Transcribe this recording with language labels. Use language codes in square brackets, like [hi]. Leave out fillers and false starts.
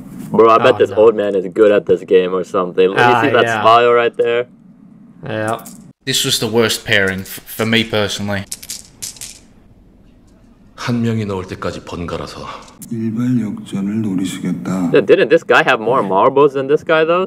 [en] 뭐 아, bet this old man is good at this game or something. Let me see that smile right there. Yeah. This was the worst pairing for me personally. [ko] 한 명이 넣을 때까지 번갈아서 일발 역전을 노리시겠다. [en] Yeah, didn't this guy have more marbles than this guy though?